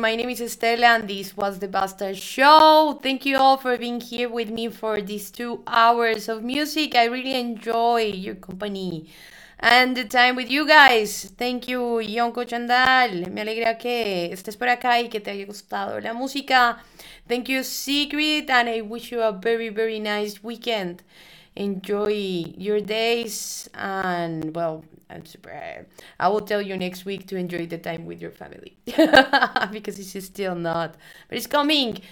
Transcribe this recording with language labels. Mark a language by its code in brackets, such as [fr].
[en] My name is Estela and this was the Bastard Show. Thank you all for being here with me for these 2 hours of music. I really enjoy your company and the time with you guys. Thank you, Yonko Chandal. [es] Me alegra que estés por acá y que te haya gustado la música. [en] Thank you, Sigrid, and I wish you a very, very nice weekend. Enjoy your days and, well, I'm super high. I will tell you next week to enjoy the time with your family. Because it's still not. But it's coming.